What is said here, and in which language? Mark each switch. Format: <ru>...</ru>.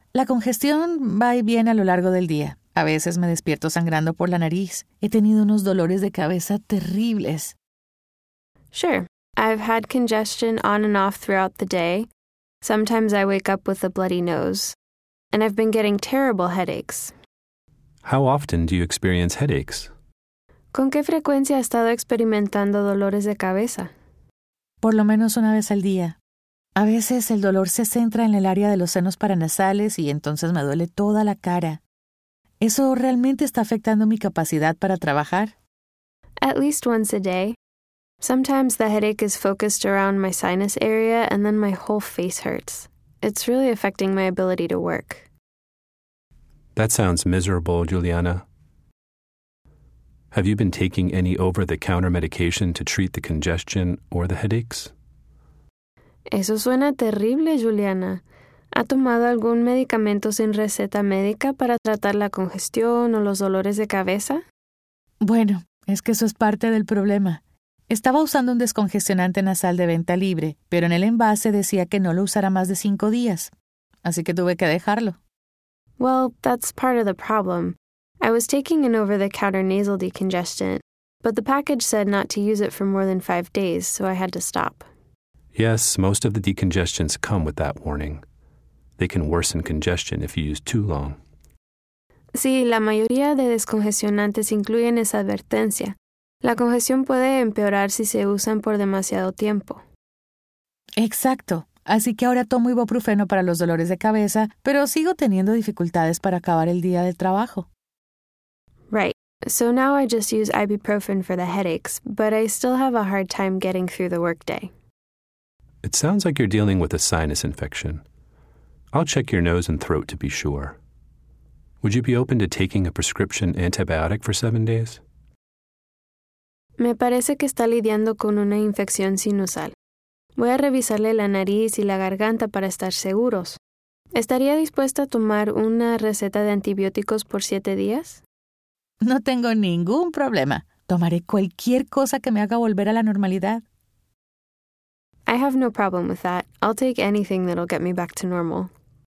<es>La congestión va y viene a lo largo del día. A veces me despierto sangrando por la nariz. He tenido unos dolores de cabeza terribles.</es> <en>Sure. I've had congestion on and off throughout the day. Sometimes I wake up with a bloody nose. And I've been getting terrible headaches. How often do you experience headaches?</en> <es>¿Con qué frecuencia ha estado experimentando dolores de cabeza? Por lo menos una vez al día. A veces el dolor se centra en el área de los senos paranasales y entonces me duele toda la cara. ¿Eso realmente está afectando mi capacidad para trabajar?</es> <en>At least once a day. Sometimes the headache is focused around my sinus area and then my whole face hurts. It's really affecting my ability to work. That sounds miserable, Juliana. Have you been taking any over-the-counter medication to treat the congestion or the headaches?</en> <es>Eso suena terrible, Juliana. ¿Ha tomado algún medicamento sin receta médica para tratar la congestión o los dolores de cabeza? Bueno, es que eso es parte del problema. Estaba usando un descongestionante nasal de venta libre, pero en el envase decía que no lo usara más de 5 días. Así que tuve que dejarlo.</es> <en>Well, that's part of the problem. I was taking an over-the-counter nasal decongestant, but the package said not to use it for more than 5 days, so I had to stop. Yes, most of the decongestants come with that warning. They can worsen congestion if you use too long.</en> <es>Sí, la mayoría de descongestionantes incluyen esa advertencia. La congestión puede empeorar si se usan por demasiado tiempo. Exacto. Así que ahora tomo ibuprofeno para los dolores de cabeza, pero sigo teniendo dificultades para acabar el día del trabajo.</es> <en>Right. So now I just use ibuprofen for the headaches, but I still have a hard time getting through the workday. It sounds like you're dealing with a sinus infection. I'll check your nose and throat to be sure. Would you be open to taking a prescription antibiotic for 7 days?</en> <es>Me parece que está lidiando con una infección sinusal. Voy a revisarle la nariz y la garganta para estar seguros. ¿Estaría dispuesta a tomar una receta de antibióticos por 7 días? No tengo ningún problema. Tomaré cualquier cosa que me haga volver a la normalidad.</es> <en>I have no problem with that. I'll take anything that'll get me back to normal.</en>